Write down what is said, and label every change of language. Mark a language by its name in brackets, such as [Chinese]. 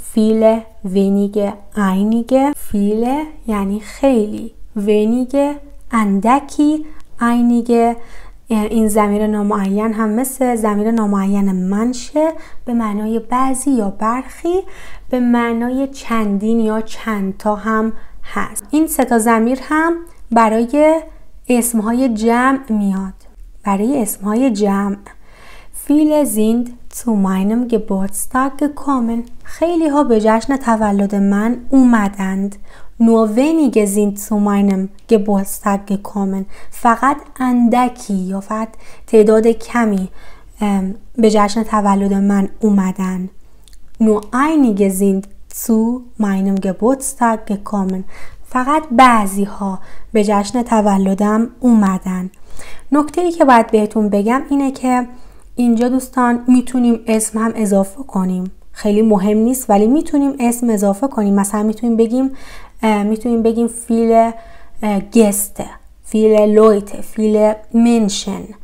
[Persian] فیله، ونیگه، اینیگه. فیله یعنی خیلی، ونیگه اندکی، اینیگه. این ضمیر نامعین هم مثل ضمیر نامعین منشه به معنای بعضی یا برخی، به معنای چندین یا چند تا هم هست. این 3 تا ضمیر هم برای اسمهای جمع میاد. برای اسمهای جمع [German] Viele sind zu meinem Geburtstag gekommen. [Persian] خیلی ها به جشن تولد من اومدند. [German] Nur wenige sind zu meinem Geburtstag gekommen. [Persian] فقط اندکی یا فقط تعداد کمی به جشن تولد من اومدن. [German] Nur einige sind zu meinem Geburtstag gekommen. [Persian] فقط بعضی ها به جشن تولدم اومدن. نکته ای که باید بهتون بگم اینه که اینجا دوستان میتونیم اسم هم اضافه کنیم. خیلی مهم نیست ولی میتونیم اسم اضافه کنیم. مثلا میتونیم بگیم فیل گست، فیل لویت، فیل منشن.